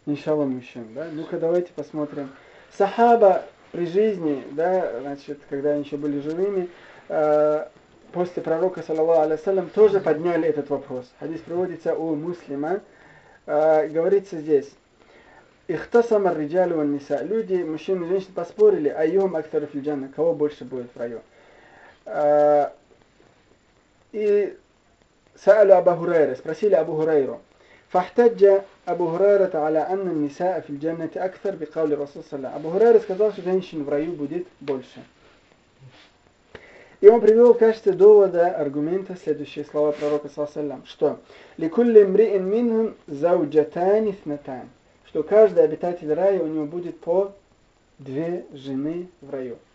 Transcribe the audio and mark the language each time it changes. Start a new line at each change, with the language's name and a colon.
Russian: Иншалла, мужчин, да? Ну-ка, давайте посмотрим. Сахаба при жизни, да, значит, когда они еще были живыми, после пророка, саллаллаху алейхи ва саллям, тоже подняли этот вопрос. Хадис приводится у муслима. Говорится здесь:
Arabic: «Ихтасама риджалу ван ниса».
Russian: Люди, мужчины и женщины, поспорили:
Arabic: «Айюхум актару фил джанна»,
Russian: кого больше будет в раю.
Arabic: И سألوا أبو هريرة،
Russian: спросили
Arabic: أبو هريرة، فاحتج أبو هريرة على أن النساء في الجنة أكثر بقول الرسول صلى الله عليه وسلم.
Russian: أبو هريرة сказал, что женщин в раю будет больше. И он привел в качестве довода, аргумента, следующие слова пророка صلى الله عليه وسلم, что
Arabic: لكل امرئ منهم زوجتان اثنتان,
Russian: что каждый обитатель рая, у него будет по две жены в раю.